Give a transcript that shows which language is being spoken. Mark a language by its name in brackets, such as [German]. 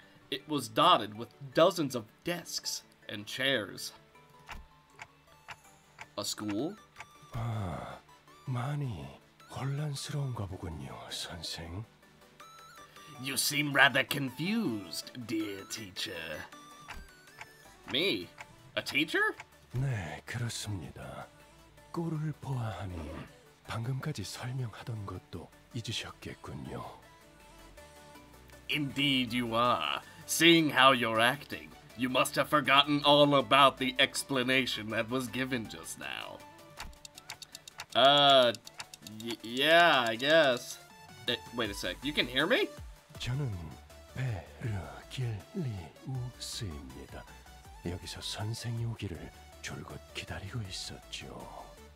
[English] It was dotted with dozens of desks and chairs. A school? Ah, [Korean] 많이 혼란스러운가 보군요, 선생. [English] You seem rather confused, dear teacher. Me? A teacher? [Korean] 네, 그렇습니다. 꼴을 보아하니 방금까지 설명하던 것도 잊으셨겠군요. [English] Indeed you are. Seeing how you're acting, you must have forgotten all about the explanation that was given just now. Yeah, I guess. Wait a sec, you can hear me? [Korean] 저는 베르길리우스입니다. 여기서 선생이 오기를 졸곧 기다리고 있었죠.